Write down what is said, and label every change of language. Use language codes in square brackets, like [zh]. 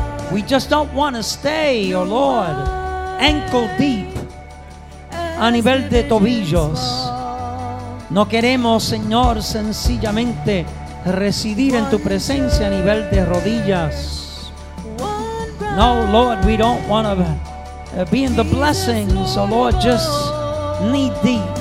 [en] We just don't want to stay, oh Lord. Ankle deep. [es] A nivel de tobillos, no queremos, Señor, sencillamente residir en tu presencia a nivel de rodillas. [en] No, Lord, we don't want to be in the blessings, oh Lord, just knee deep.